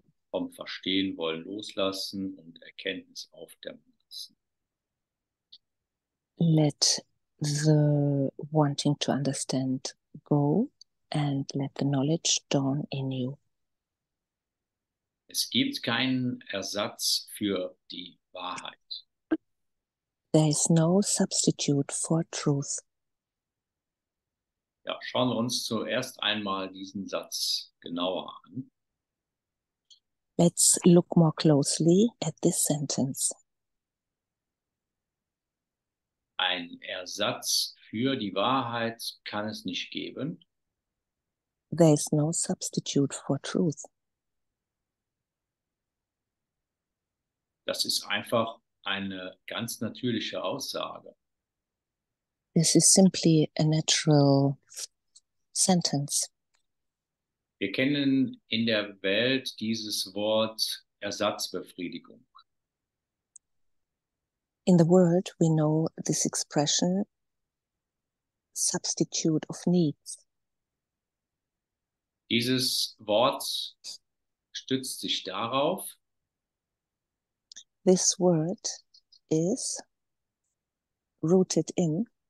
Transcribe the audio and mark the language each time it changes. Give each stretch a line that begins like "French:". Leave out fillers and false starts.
German: Vom Verstehen wollen loslassen und Erkenntnis aufdämmen lassen.
English: Let the wanting to understand go and let the knowledge dawn in you.
German: Es gibt keinen Ersatz für die Wahrheit.
English: There is no substitute for truth.
German: Ja, schauen wir uns zuerst einmal diesen Satz genauer an.
English: Let's look more closely at this sentence.
German: Ein Ersatz für die Wahrheit kann es nicht geben.
English: There is no substitute for truth.
German: Das ist einfach eine ganz natürliche Aussage.
English: This is simply a natural sentence.
German: Wir kennen in der Welt dieses Wort Ersatzbefriedigung.
English: In the world, we know this expression, substitute of needs.
German: Dieses Wort stützt sich darauf.
English: This word is rooted in.